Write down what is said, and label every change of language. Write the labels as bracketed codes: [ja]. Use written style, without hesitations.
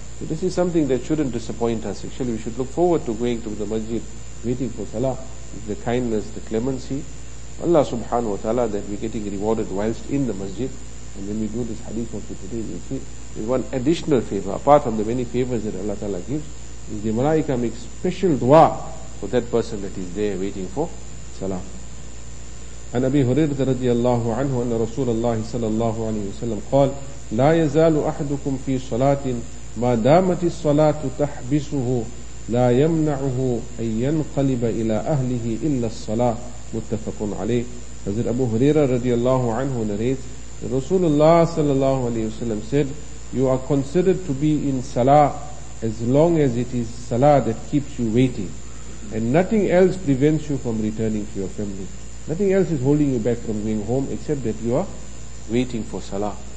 [en] So this is something that shouldn't disappoint us. Actually, we should look forward to going to the masjid, waiting for salah, the kindness, the clemency. Allah subhanahu wa ta'ala, that we're getting rewarded whilst in the masjid. And when we do this hadith of today, we see, there's one additional favor, apart from the many favors that Allah ta'ala gives, is the malaika makes special dua for that person that is there waiting for salah. And Abi Hurairah radiallahu anhu, and Rasulullah sallallahu alayhi wa sallam, [ar] قال, لا يزال أحدكم في صلاة ما دامت الصلاة تحبسه لا يمنعه أن ينقلب إلى أهله إلا الصلاة متفق عليه. [en] Hazrat Abu Huraira radiallahu anhu narrates that Rasulullah sallallahu alayhi wasallam said, you are considered to be in salah as long as it is salah that keeps you waiting, and nothing else prevents you from returning to your family. Nothing else is holding you back from going home except that you are waiting for salah.